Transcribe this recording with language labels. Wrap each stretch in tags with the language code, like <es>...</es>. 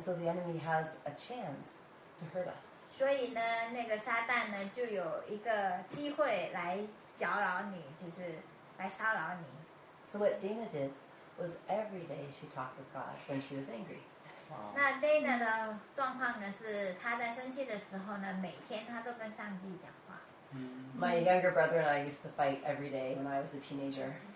<en>so the enemy has a chance to hurt us.</en> <zh>所以呢，那个撒旦呢，就有一个机会来搅扰你，就是来骚扰你。</zh> <en>So what Dana did was every day she talked with God when she was angry. Wow.</en> <zh>那 Dana 的状况呢，是她在生气的时候呢，每天她都跟上帝讲话。</zh> <en>My younger brother and I used to fight every day when I was a teenager.</en>